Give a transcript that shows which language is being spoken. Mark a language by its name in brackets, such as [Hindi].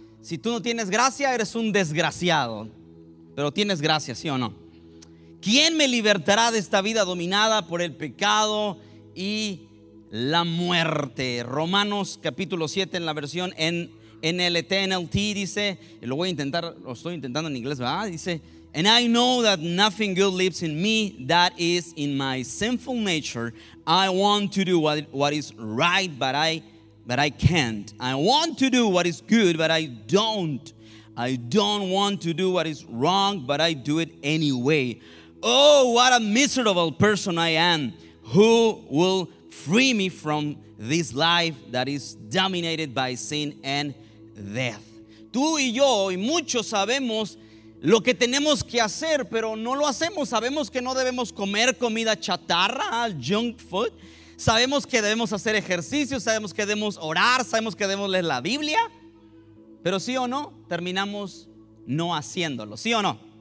[Spanish] Si tú no tienes gracia, eres un desgraciado. Pero tienes gracia, ¿sí o no? ¿Quién me libertará de esta vida dominada por el pecado y la muerte? Romanos capítulo 7 en la versión NLT dice, lo voy a intentar, lo estoy intentando en inglés, ¿verdad? Dice, [English] and I know that nothing good lives in me, that is in my sinful nature. I want to do what is right, but I can't. I want to do what is good, but I don't. I don't want to do what is wrong, but I do it anyway. Oh, what a miserable person I am. Who will free me from this life that is dominated by sin and death? [Spanish] Tú y yo y muchos sabemos lo que tenemos que hacer, pero no lo hacemos. Sabemos que no debemos comer comida chatarra, [English] junk food. [Spanish] Sabemos que debemos hacer ejercicio, sabemos que debemos orar, sabemos que debemos leer la Biblia. Pero sí o no, terminamos no haciéndolo, ¿sí o no?